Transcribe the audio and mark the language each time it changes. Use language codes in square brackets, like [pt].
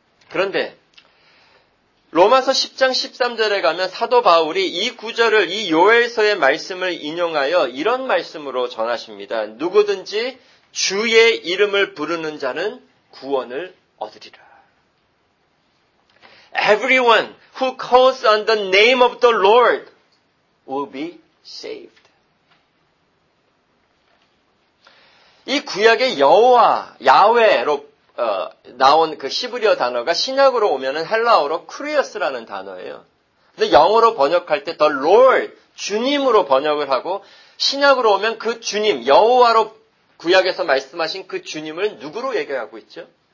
[ko] 그런데 로마서 10장 13절에 가면 사도 바울이 이 구절을 이 요엘서의 말씀을 인용하여 이런 말씀으로 전하십니다. 누구든지 주의 이름을 부르는 자는 구원을 얻으리라. [en] Everyone who calls on the name of the Lord will be saved. [ko] 이 구약의 여호와, 야훼로 나온 그 히브리어 단어가 신약으로 오면은 헬라어로 크리어스라는 단어예요. 근데 영어로 번역할 때 the Lord, 주님으로 번역을 하고 신약으로 오면 그 주님, 여호와로 구약에서 말씀하신 그 주님을 누구로 얘기하고 있죠?